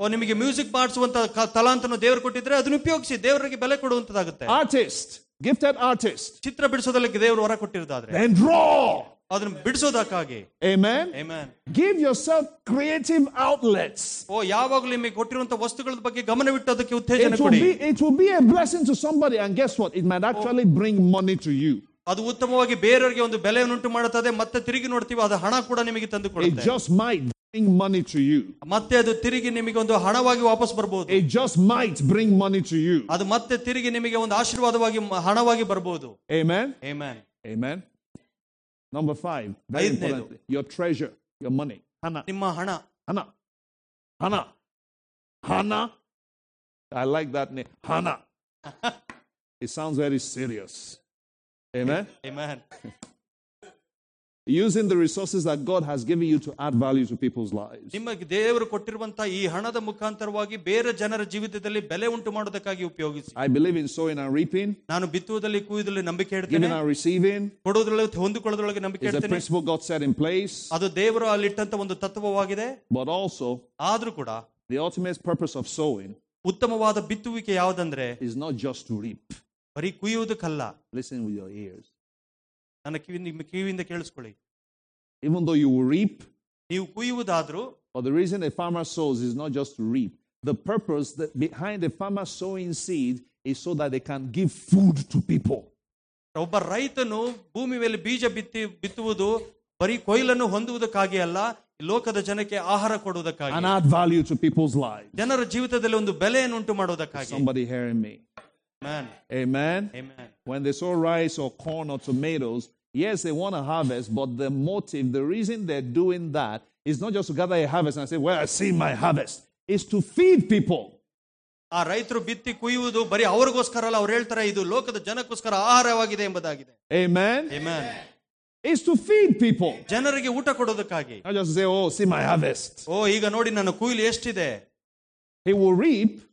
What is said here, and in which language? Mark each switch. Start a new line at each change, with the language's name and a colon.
Kannada: ಓ ನಿಮಗೆ ಮ್ಯೂಸಿಕ್ ಮಾಡಿಸುವಂತ ತಲಾಂತನ್ನು ದೇವರು ಕೊಟ್ಟಿದ್ರೆ ಅದನ್ನು ಉಪಯೋಗಿಸಿ ದೇವರಿಗೆ ಬೆಲೆ ಕೊಡುವಂತದಾಗುತ್ತೆ.
English: Artist. Gifted artist.
Kannada: ಚಿತ್ರ ಬಿಡಿಸೋದಕ್ಕೆ ದೇವರು ವರ ಕೊಟ್ಟಿರೋದಾದ್ರೆ
English: then draw.
Kannada: ಅದನ್ನು ಬಿಡಿಸೋದಕ್ಕಾಗಿ.
English: Amen. Amen. Give yourself creative outlets.
Kannada: ಓ ಯಾವಾಗಲೂ ನಿಮಗೆ ಕೊಟ್ಟಿರುವಂತ ವಸ್ತುಗಳ ಬಗ್ಗೆ ಗಮನವಿಟ್ಟು ಅದಕ್ಕೆ ಉತ್ತೇಜನ ಕೊಡಿ.
English: It will be a blessing to somebody and guess what? It might actually bring money to you.
Kannada: ಅದು ಉತ್ತಮವಾಗಿ ಬೇರೆಯವರಿಗೆ ಒಂದು ಬೆಲೆಯನ್ನು ಉಂಟು ಮಾಡುತ್ತದೆ. ಮತ್ತೆ ತಿರುಗಿ ನೋಡ್ತೀವಿ ಅದು ಹಣ ಕೂಡ ನಿಮಗೆ ತಂದು ಕೊಡುತ್ತೆ.
English: It just might bring money to you.
Kannada: ಮತ್ತೆ ಅದು ತಿರುಗಿ ನಿಮಗೆ ಒಂದು ಹಣವಾಗಿ ವಾಪಸ್ ಬರಬಹುದು.
English: It just might bring money to you.
Kannada: ಅದು ಮತ್ತೆ ತಿರುಗಿ ನಿಮಗೆ ಒಂದು ಆಶೀರ್ವಾದವಾಗಿ ಹಣವಾಗಿ ಬರಬಹುದು.
English: Amen. Amen. Amen. Number 5.
Kannada: ಐದನೇದು.
English: Your treasure, your money. ಹಣ.
Kannada: ನಿಮ್ಮ ಹಣ. ಹಣ. ಹಣ. ಹಣ.
English: I like that name.
Kannada: ಹಣ.
English: It sounds very serious. Amen. Amen. Using the resources that God has given you to add value to people's lives.
Kannada: ನಿಮಗೆ ದೇವರು ಕೊಟ್ಟಿರುವಂತ ಈ ಹಣದ ಮುಖಾಂತರವಾಗಿ ಬೇರೆ ಜನರ ಜೀವಿತದಲ್ಲಿ ಬೆಲೆ ಉಂಟು ಮಾಡೋದಕ್ಕಾಗಿ ಉಪಯೋಗಿಸಿ.
English: I believe in sowing and reaping.
Kannada: ನಾನು ಬಿತ್ತುವುದರಲ್ಲಿ ಕೊಯ್ಯುವುದರಲ್ಲಿ ನಂಬಿಕೆ ಇಡುತ್ತೇನೆ.
English: Giving and receiving.
Kannada: ಕೊಡುವುದರಲ್ಲಿ ಹೊಂದಿಕೊಳ್ಳುವುದರಲ್ಲಿ ನಂಬಿಕೆ ಇಡುತ್ತೇನೆ.
English: It's a principle God set in place.
Kannada: ಅದು ದೇವರು ಅಲ್ಲಿಟ್ಟಂತ ಒಂದು ತತ್ವವಾಗಿದೆ.
English: But also.
Kannada: ಆದರೂ ಕೂಡ.
English: The ultimate purpose of sowing.
Kannada: ಉತ್ತಮವಾದ ಬಿತ್ತುವಿಕೆ ಯಾವುದಂದ್ರೆ.
English: Is not just to reap.
Kannada: ಬರೀ ಕೊಯ್ಯುವುದಕ್ಕಲ್ಲ.
English: Listen with your ears.
Kannada: ನನ್ನ ಕಿವಿಯಿಂದ ಕೇಳಿಸ್ಕೊಳ್ಳಿ.
English: Even though you reap,
Kannada: ನೀವು ಕುಯ್ಯುವುದಾದ್ರೂ,
English: but the reason a farmer sows is not just to reap. The purpose that behind a farmer sowing seed is so that they can give food to people.
Kannada: ಒಬ್ಬ ರೈತನು ಭೂಮಿ ಮೇಲೆ ಬೀಜ ಬಿತ್ತುವುದು ಬರೀ ಕೊಯ್ಲನ್ನು ಹೊಂದುವುದಕ್ಕಾಗಿ ಅಲ್ಲ, ಲೋಕದ ಜನಕ್ಕೆ ಆಹಾರ ಕೊಡುವುದಕ್ಕಾಗಿ.
English: An add value to people's lives.
Kannada: ಜನರ ಜೀವಿತದಲ್ಲಿ ಒಂದು ಬೆಲೆಯನ್ನು ಉಂಟು ಮಾಡುವುದಕ್ಕಾಗಿ.
English: Somebody hearing me. Amen. Amen. Amen. When they sow rice or corn or tomatoes, yes, they want to harvest, but the motive, the reason they're doing that is not just to gather a harvest and say, well, I see my harvest. It's to feed people.
Kannada: ಆ ರೈತರು ಬಿತ್ತಿ ಕುಯ್ಯುವುದು ಬರೀ ಅವರಿಗೋಸ್ಕರ ಅಲ್ಲ, ಅವ್ರು ಹೇಳ್ತಾರೆ ಇದು ಲೋಕದ ಜನಕ್ಕೋಸ್ಕರ ಆಹಾರವಾಗಿದೆ ಎಂಬುದಾಗಿದೆ.
English: Amen. Amen. It's to feed people.
Kannada: ಜನರಿಗೆ ಊಟ ಕೊಡೋದಕ್ಕಾಗಿ.
English: Not just say, oh, see my harvest.
Kannada: ಓ ಈಗ ನೋಡಿ ನನ್ನ ಕುಯ್ಲು ಎಷ್ಟಿದೆ.
English: He will reap.